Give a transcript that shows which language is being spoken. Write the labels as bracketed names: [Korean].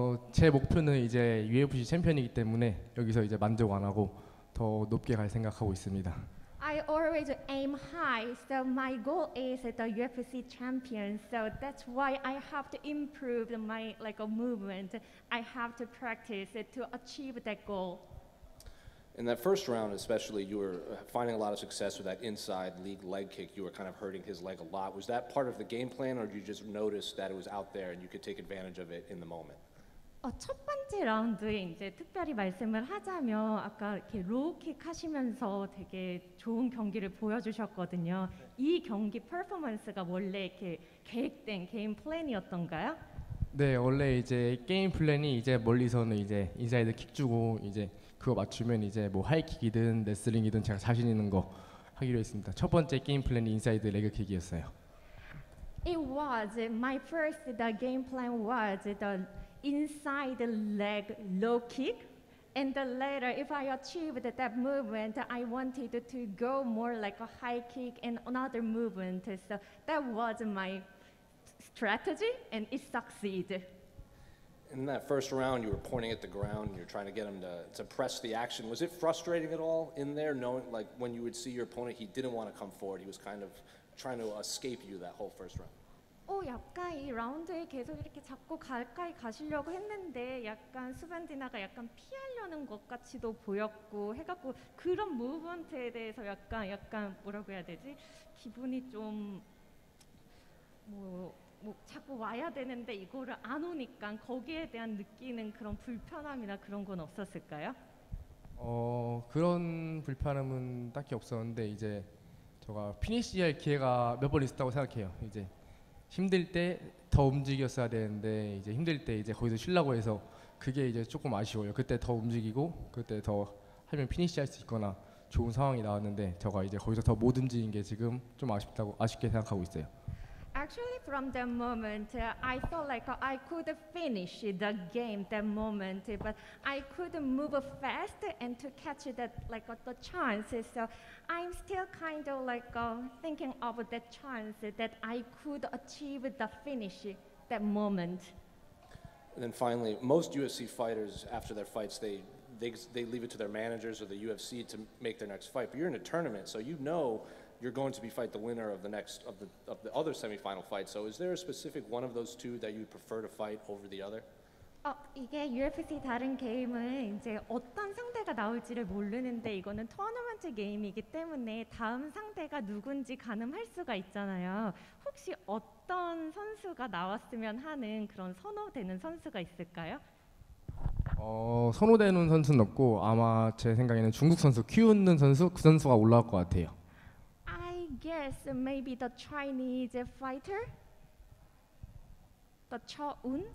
[Korean] 제 목표는 이제 UFC 챔피언이기 때문에 여기서 이제 만족 안 하고 더 높게 갈 생각하고 있습니다. [English] I always aim high, so my goal is the UFC champion. So that's why I have to improve my movement. I have to practice it to achieve that goal. In that first round especially, you were finding a lot of success with that inside leg kick. You were kind of hurting his leg a lot. Was that part of the game plan, or did you just notice that it was out there and you could take advantage of it in the moment? [Korean] 첫 번째 라운드에 이제 특별히 말씀을 하자면 아까 이렇게 로우킥 하시면서 되게 좋은 경기를 보여주셨거든요. 네. 이 경기 퍼포먼스가 원래 이렇게 계획된 게임 플랜이었던가요? 네, 원래 이제 게임 플랜이 이제 멀리서는 이제 인사이드 킥 주고 이제 그거 맞추면 이제 뭐 하이킥이든 레슬링이든 제가 자신 있는 거 하기로 했습니다. 첫 번째 게임 플랜이 인사이드 레그킥이었어요. [English] It was my first the game plan was the inside leg low kick, and later if I achieved that movement, I wanted to go more like a high kick and another movement. So that was my strategy, and it succeeded. In that first round, you were pointing at the ground, you're trying to get him to press the action. Was it frustrating at all in there, knowing like when you would see your opponent, he didn't want to come forward, he was kind of trying to escape you that whole first round? [Korean] 약간 이 라운드에 계속 이렇게 자꾸 가까이 가시려고 했는데 약간 수반디나가 약간 피하려는 것 같이도 보였고 해갖고 그런 무브먼트에 대해서 약간 뭐라고 해야 되지? 기분이 좀 뭐 자꾸 와야 되는데 이거를 안 오니까 거기에 대한 느끼는 그런 불편함이나 그런 건 없었을까요? 그런 불편함은 딱히 없었는데 이제 제가 피니시할 기회가 몇 번 있었다고 생각해요. 이제 힘들 때 더 움직였어야 되는데 이제 힘들 때 이제 거기서 쉬려고 해서 그게 이제 조금 아쉬워요. 그때 더 움직이고 그때 더 하면 피니시할 수 있거나 좋은 상황이 나왔는데 제가 이제 거기서 더 못 움직인 게 지금 좀 아쉽게 생각하고 있어요. [English] Actually, from that moment, I felt like I could finish the game that moment, but I couldn't move fast and to catch that the chance. So I'm still kind of thinking of that chance that I could achieve the finish that moment. And then finally, most UFC fighters after their fights, they leave it to their managers or the UFC to make their next fight. But you're in a tournament, so you know you're going to be fight the winner of the next of the other semifinal fight. So is there a specific one of those two that you'd prefer to fight over the other? [Korean] 이게 UFC 다른 게임은 이제 어떤 상대가 나올지를 모르는데 이거는 토너먼트 게임이기 때문에 다음 상대가 누군지 가늠할 수가 있잖아요. 혹시 어떤 선수가 나왔으면 하는 그런 선호되는 선수가 있을까요? 선호되는 선수는 없고 아마 제 생각에는 중국 선수 키우는 선수 그 선수가 올라올 것 같아요. [English] Yes, maybe the Chinese fighter, the Cho Un.